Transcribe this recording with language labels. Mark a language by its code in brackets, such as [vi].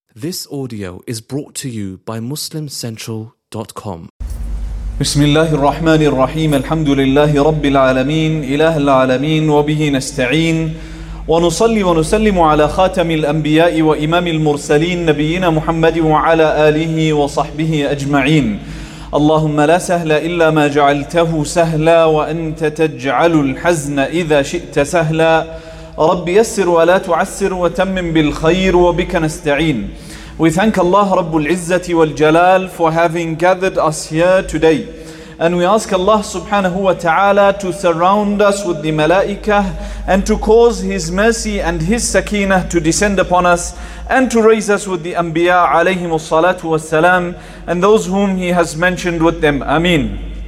[en] This audio is brought to you by MuslimCentral.com. [ar] بسم الله الرحمن الرحيم الحمد لله رب العالمين إله العالمين وبه نستعين ونصلي ونسلم على خاتم الأنبياء وإمام المرسلين نبينا محمد وعلى آله وصحبه أجمعين. اللهم لا سهل إلا ما جعلته سهلا وأنت تجعل الحزن إذا شئت سهلا. رب يسر ولا تعسر وتمم بالخير وبك نستعين. [en] We thank Allah Rabbul Izzati wal Jalal for having gathered us here today. And we ask Allah Subhanahu wa Ta'ala to surround us with the Malaikah and to cause His mercy and His Sakinah to descend upon us and to raise us with the Anbiya alayhim as-salatu was-salam and those whom He has mentioned with them. Ameen.